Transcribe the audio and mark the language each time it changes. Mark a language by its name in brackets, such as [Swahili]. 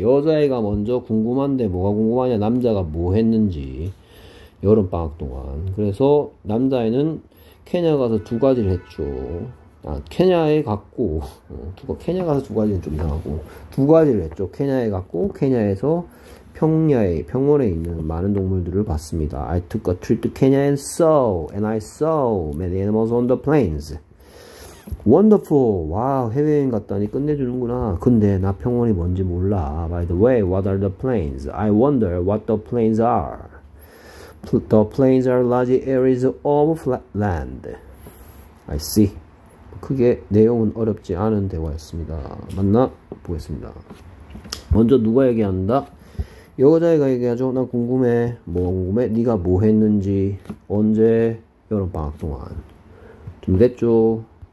[Korean] 여자애가 먼저 궁금한데 뭐가 궁금하냐, 남자가 뭐 했는지, 여름방학 동안. 그래서 남자애는 케냐 가서 두 가지를 했죠. 아, 케냐에 갔고, 케냐 가서 두 가지는 좀 이상하고, 두 가지를 했죠. 케냐에 갔고, 케냐에서 평야에, 평원에 있는 많은 동물들을 봤습니다. [English] I took a trip to Kenya and I saw many animals on the plains. Wonderful. [Korean] 와우, 해외여행 갔다니 끝내주는구나. 근데 나 평원이 뭔지 몰라. [English] By the way, what are the plains? I wonder what the plains are. The plains are large areas of flat land. I see. [Korean] 크게 내용은 어렵지 않은 대화였습니다. 맞나? 보겠습니다. 먼저 누가 얘기한다? 여자애가 얘기하죠. 난 궁금해. 뭐 궁금해? 네가 뭐 했는지. 언제? 여름방학 동안. 좀 됐죠?